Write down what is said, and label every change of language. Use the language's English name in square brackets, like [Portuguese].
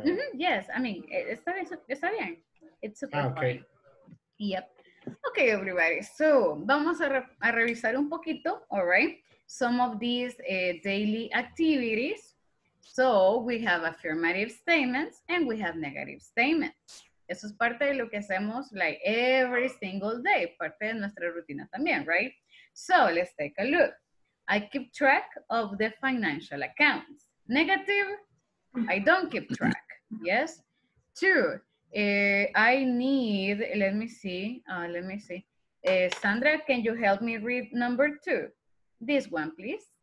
[English] Mm-hmm. Yes, I mean, [Spanish] está bien. [English] It's super okay. funny. Yep. Okay, everybody. [Spanish] So, vamos a revisar un poquito, [English] all right? Some of these daily activities. So, we have affirmative statements and we have negative statements. [Spanish] Eso es parte de lo que hacemos [English] like every single day, [Spanish] parte de nuestra rutina también, right? [English] So, let's take a look. I keep track of the financial accounts. Negative, I don't keep track. Yes. Two. I need, let me see, let me see. Sandra, can you help me read number two? This one, please.